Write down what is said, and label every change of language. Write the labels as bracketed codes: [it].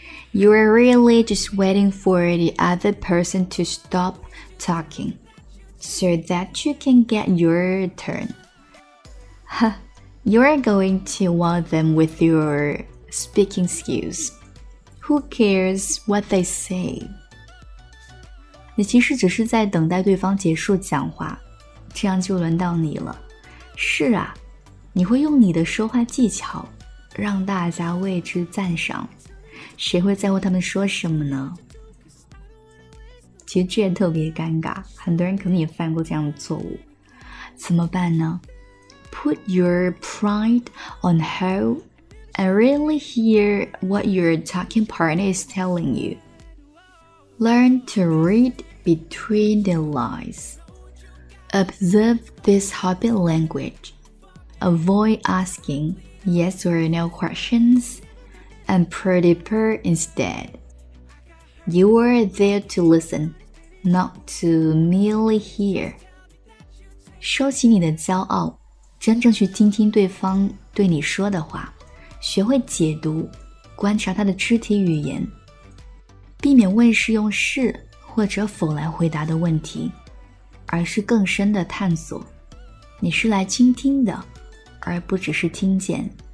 [en] You are really just waiting for the other person to stop talking so that you can get your turn. You are going to wow them with your speaking skills. Who cares what they say? [zh] 你其实只是在等待对方结束讲话，这样就轮到你了。是啊，你会用你的说话技巧让大家为之赞赏，谁会在乎他们说什么呢？其实这也特别尴尬，很多人可能也犯过这样的错误，怎么办呢？ [en] Put your pride on hold and really hear what your talking partner is telling you. Learn to read between the lines. Observe this hobby language. Avoid asking yes or no questions and prepare instead. You are there to listen, not to merely hear. [zh] 收起你的骄傲，真正去倾听对方对你说的话，学会解读，观察他的肢体语言，避免问是用是或者否来回答的问题。而是更深的探索，你是来倾听的，而不只是听见。